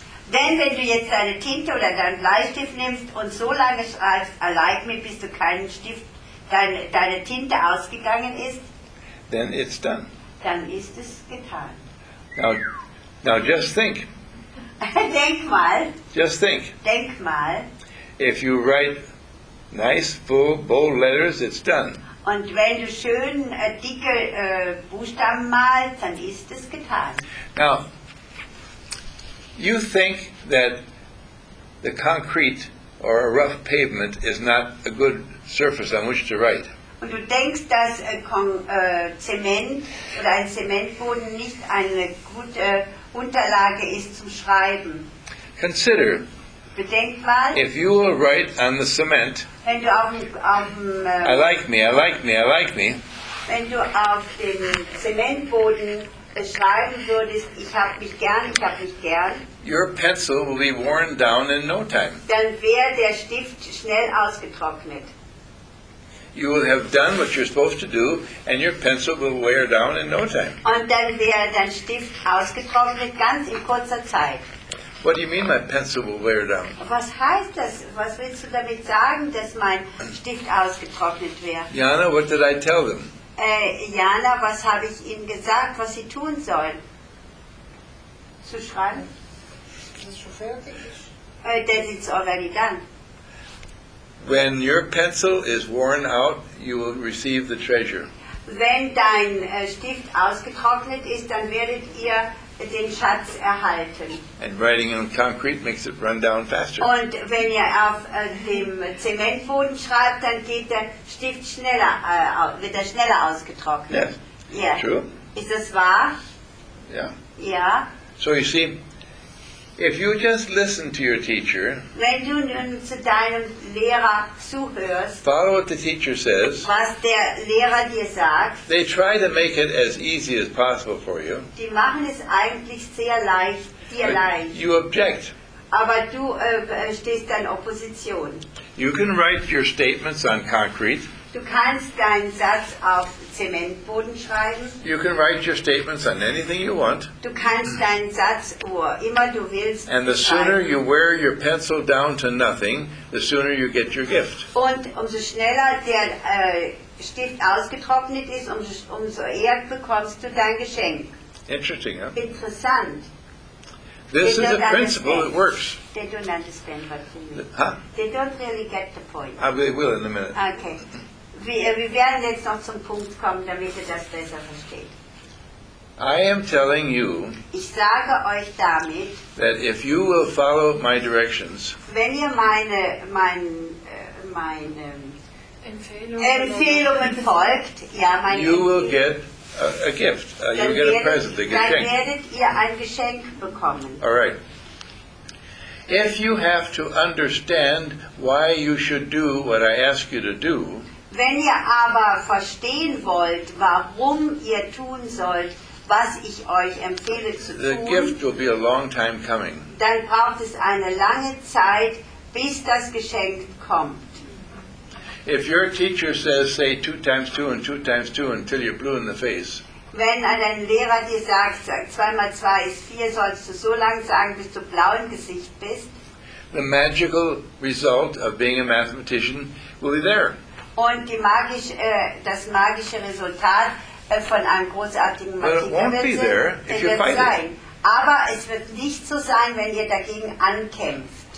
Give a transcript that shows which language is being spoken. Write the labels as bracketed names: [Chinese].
[German] then wenn du jetzt deine Tinte oder deinen Bleistift nimmst und so lange schreibst [English] I like me [German] bis du keinen Stift deine Tinte ausgegangen ist, [English] then it's done. [German] Dann ist es getan. [English] Now just think. [German] Denk mal. [English] Just think. [German] Denk mal. [English] If you write nice, full, bold letters, it's done. [German] Und wenn du schön dicke Buchstaben malst, dann ist es getan. [English] Now, you think that the concrete or a rough pavement is not a good surface on which to write. [German] Und du denkst, dass Zement oder ein Zementboden nicht eine gute Unterlage ist zum Schreiben. [English] Consider. [German] Bedenk mal. [English] If you will write on the cement. [German] Wenn du auf [English] I like me, I like me, I like me. [German] Wenn du auf dem Zementboden schreiben würdest, ich hab mich gern, ich hab mich gern. [English] Your pencil will be worn down in no time. [German] Dann wäre der Stift schnell ausgetrocknet. [English] You will have done what you're supposed to do and your pencil will wear down in no time. [German] Und dann wäre dein Stift ausgetrocknet ganz in kurzer Zeit. [English] What do you mean my pencil will wear down? [German] Was heißt das? Was willst du damit sagen, dass mein Stift ausgetrocknet wäre? [English] Jana, what did I tell them? [German] Jana, was habe ich ihnen gesagt, was sie tun sollen? Zu schreiben? Das ist schon fertig. [English] That it's already done. When your pencil is worn out, you will receive the treasure. [German] Wenn dein Stift ausgetrocknet ist, dann werdet ihr den Schatz erhalten. [English] And writing on concrete makes it run down faster. [German] Und wenn ihr auf dem Zementboden schreibt, dann geht der Stift schneller, wird er schneller ausgetrocknet. [English] Yes. Yeah. True. [German] Ist das wahr? Ja. [English] Yeah. So you see, if you just listen to your teacher, [German] wenn du nun zu deinem Lehrer zuhörst, [English] follow what the teacher says, [German] was der Lehrer dir sagt, [English] they try to make it as easy as possible for you. [German] Die machen es eigentlich sehr leicht, dir [English] but [German] leicht. [English] You object. [German] Aber du stehst dann Opposition. [English] You can write your statements on concrete. [German] Du kannst deinen Satz auf Zementboden schreiben. [English] You can write your statements on anything you want. [German] Du kannst deinen Satz wo immer du willst [English] and the [German] schreiben. [English] Sooner you wear your pencil down to nothing, the sooner you get your gift. [German] Und umso schneller der Stift ausgetrocknet ist, umso eher bekommst du dein Geschenk. [English] Interesting, huh? [German] Interessant. [English] This is a principle that works. They don't understand what you mean. They don't really get the point. I will in a minute. Okay. [German] Wir werden jetzt noch zum Punkt kommen, damit ihr das besser versteht. [English] I am telling you, [German] ich sage euch damit, that if you will follow my directions, wenn ihr meine Empfehlungen folgt, ja, meine [English] you will get a gift, you will get a present, a Geschenk. [German] Dann werdet ihr ein Geschenk bekommen. [English] All right. If you have to understand why you should do what I ask you to do, [German] wenn ihr aber verstehen wollt, warum ihr tun sollt, was ich euch empfehle zu [English] the [German] tun, [English] gift will be a long time coming. [German] Dann braucht es eine lange Zeit, bis das Geschenk kommt. [English] If your teacher says, say two times two and two times two until you're blue in the face. [German] Wenn dein Lehrer dir sagt, zweimal zwei ist vier, sollst du so lange sagen, bis du blau im Gesicht bist. [English] The magical result of being a mathematician will be there. [German] Und die magisch, das magische Resultat von einem großartigen Magier wird sein. Aber es wird nicht so sein, wenn ihr dagegen ankämpft.